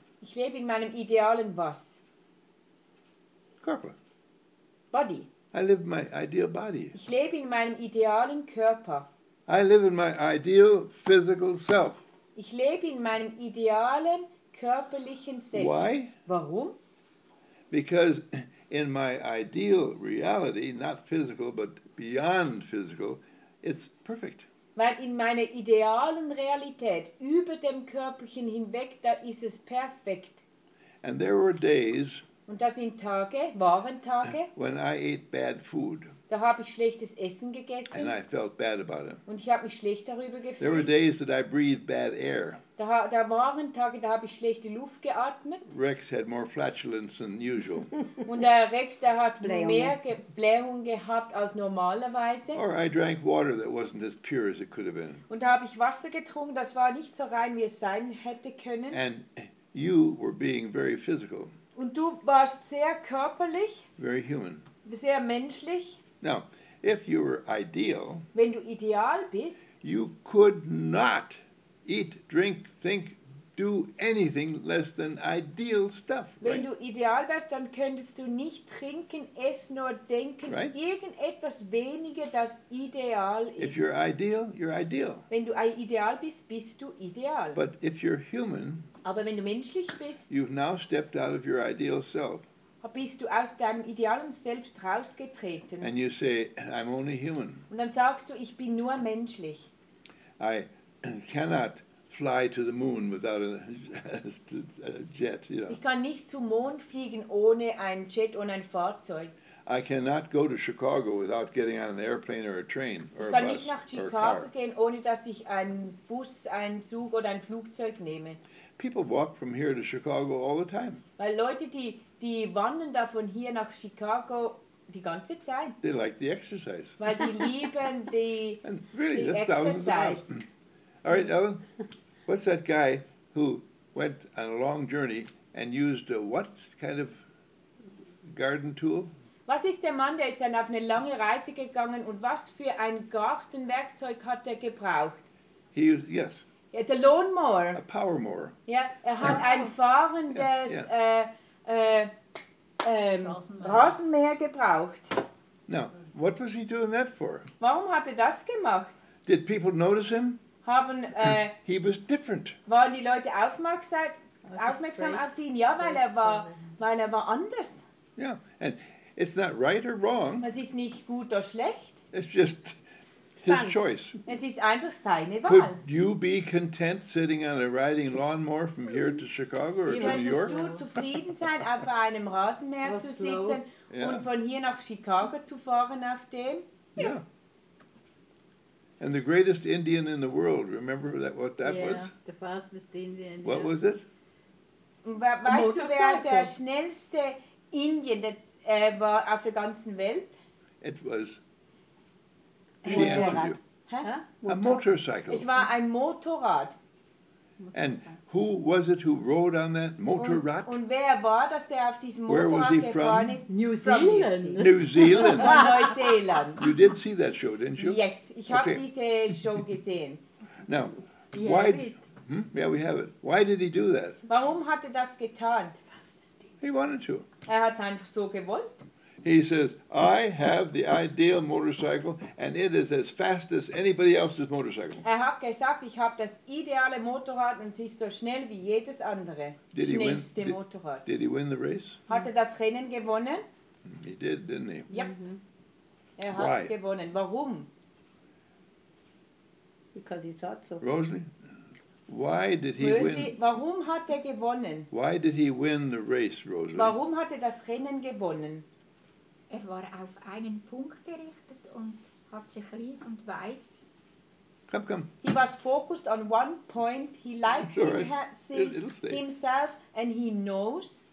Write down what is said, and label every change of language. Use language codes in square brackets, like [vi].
[de] Ich lebe in meinem idealen was? Körper. [en] Body. I live in my ideal body. [de] Ich lebe in meinem idealen Körper. [en] I live in my ideal physical self. [de] Ich lebe in meinem idealen körperlichen Selbst. [en] Why? [de] Warum? [en] Because in my ideal reality, not physical, but beyond physical, it's perfect. [de] Weil in meiner idealen Realität, über dem Körperchen hinweg, da ist es perfekt. [en] And there were days, [de] und das sind Tage, waren Tage, [en] when I ate bad food. [de] Da habe ich schlechtes Essen gegessen. [en] And I felt bad about it. [de] Und ich habe mich schlecht darüber gefühlt. [en] There were days that I breathed bad air. [de] Da waren Tage, da habe ich schlechte Luft geatmet. [en] Rex had more flatulence than usual. [de] Und der Rex, der hat mehr Blähungen gehabt als normalerweise. [en] Or I drank water that wasn't as pure as it could have been. [de] Und da habe ich Wasser getrunken, das war nicht so rein, wie es sein hätte können. [en] And you were being very physical. [de] Und du warst sehr körperlich. [en] Very human. [de] Sehr menschlich. [en] Now, if you were ideal, [de] wenn du ideal bist, [en] you could not eat, drink, think, do anything less than ideal stuff. [de] Wenn [en] right? [de] du ideal wärst, dann könntest du nicht trinken, essen oder denken, [en] right? [de] irgendetwas weniger, das ideal ist. [en] If you're ideal, you're ideal. [de] Wenn du ideal bist, bist du ideal. [en] But if you're human, [de] aber wenn du menschlich bist, [en] you've now stepped out of your ideal self. [de] Bist du aus deinem idealen Selbst rausgetreten? [en] And you say, I'm only human. [de] Und dann sagst du, ich bin nur menschlich. [en] I cannot fly to the moon without a jet, you know. [de] Ich kann nicht zum Mond fliegen ohne ein Jet und ein Fahrzeug. [en] I cannot go to Chicago without getting on an airplane or a train or a bus. [de] Ich kann nicht nach Chicago gehen ohne dass ich einen Bus, einen Zug oder ein Flugzeug nehme. [en] People walk from here to Chicago all the time. [de] Weil Leute, die wandern da von hier nach Chicago die ganze Zeit. [en] They like the exercise. [de] Weil die lieben die [en] And really, [de] die [en] that's thousands of miles. All right, Ellen, what's that guy who went on a long journey and used a what kind of garden tool? [de] Was ist der Mann, der ist dann auf eine lange Reise gegangen und was für ein Gartenwerkzeug hat er gebraucht? [en] He used, yes. [de] Ja, der Lawnmower. [en] A power mower. [de] Ja, er hat ein fahrendes Rasenmäher gebraucht. [en] Now, what was he doing that for? [de] Warum hat er das gemacht? [en] Did people notice him? [de] Haben, [en] he was different. [de] Waren die Leute aufmerksam auf ihn? Ja, weil er war anders. [en] Yeah, and it's not right or wrong. [de] Es ist nicht gut oder schlecht. [en] It's just his choice. [de] Es ist einfach seine Wahl. [en] Could you be content sitting on a riding lawnmower from here to Chicago or to New York? [de] Wie würdest du zufrieden sein, auf einem Rasenmäher zu sitzen und von hier nach Chicago zu fahren auf dem? Ja. [en] And the greatest Indian in the world, remember what that was? Yeah, the fastest Indian. What was it? [de] Weißt du, wer der schnellste Indien war auf der ganzen Welt? [en] It was... She answered you. Huh? A motorcycle. [de] Es war ein Motorrad. [en] And who was it who rode on that Motorrad? [de] Und wer war das, der auf diesem Motorrad [en] Where was he from? New Zealand. From New Zealand. [de] Von Neuseeland. [en] You did see that show, didn't you? Yes, [de] ich habe diese Show gesehen. [en] Now, why? Yeah, we have it. Why did he do that? [de] Warum hat er das getan? [en] He wanted to. [de] Er hat einfach so gewollt. [en] He says, I have the ideal motorcycle and it is as fast as anybody else's motorcycle. [de] Er hat gesagt, ich habe das ideale Motorrad und es ist so schnell wie jedes andere schnellste Motorrad. [en] Did he win the race? [de] Hat er das Rennen gewonnen? [en] He did, didn't he? [de] Ja. Er hat [en] Why? [de] Es gewonnen. Warum? [en] Because he thought so. Rosalie? Why did he win? [de] Warum hat er gewonnen? [en] Why did he win the race, Rosalie? [de] Warum hat er das Rennen gewonnen? Er war auf einen Punkt gerichtet und hat sich lieb und weiß. [en] Come. He was focused on one point. He likes himself and he knows.